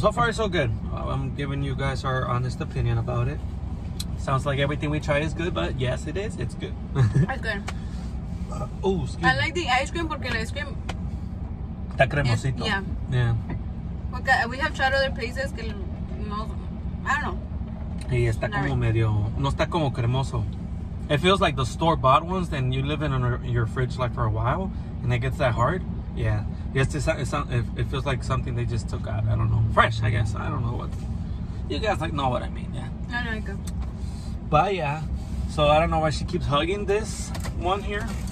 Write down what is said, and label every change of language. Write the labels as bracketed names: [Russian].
[English] So far, it's so good. I'm giving you guys our honest opinion about it. Sounds like everything we try is good, but yes, it is. It's good. It's good. Oh, excuse me. I like the ice cream [Spanish] porque el [English] ice cream... [Spanish] Está cremosito. [English] Yeah. We have tried other places [Spanish] que no, [English] I don't know. [Spanish] Y está como medio, no está como cremoso. [English] It feels like the store bought ones, then you live in your fridge like for a while, and it gets that hard. Yeah, yes, it feels like something they just took out. I don't know, fresh, I guess. I don't know what. You guys like know what I mean, yeah. I like it. But yeah, so I don't know why she keeps hugging this one here.